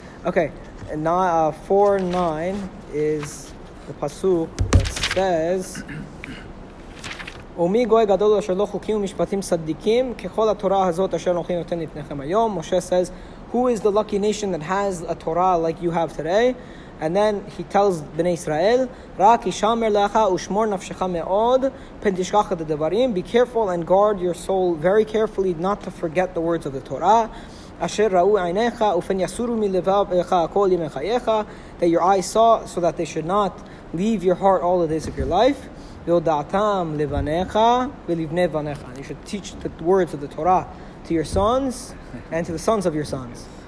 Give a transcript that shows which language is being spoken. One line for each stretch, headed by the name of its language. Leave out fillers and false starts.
English: Okay, now 4, 9 is the Pasuk that says,
Hebrew: ומי גוי גדול אשר לא חוקים ומשפטים צדיקים ככל התורה הזאת אשר אנוכי נותן לפניכם היום.
English: Moshe says, who is the lucky nation that has a Torah like you have today? And then he tells Bnei Israel,
Hebrew: רק ישמר לך ושמור נפשך מאוד פן תשכח את הדברים.
English: Be careful and guard your soul very carefully not to forget the words of the Torah.
Hebrew: אשר ראו עיניך ופן יסורו מלבבך כל ימי חייך,
English: that your eyes saw so that they should not leave your heart all the days of your life. You should teach the words of the Torah to your sons and to the sons of your sons.